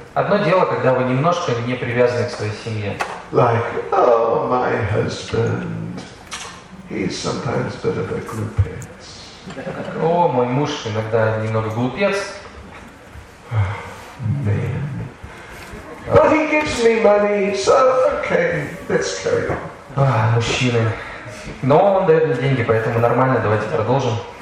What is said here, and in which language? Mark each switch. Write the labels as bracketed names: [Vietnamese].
[Russian] Одно дело, когда вы немножко не привязаны к своей семье. [English] Like, oh, my husband, he's sometimes a bit of a [Russian] glupец. О, мой муж иногда немного глупец. [English] Man. But he gives me money, so okay, let's carry on. [Russian] Мужчины. Но он дает мне деньги, поэтому нормально, давайте продолжим.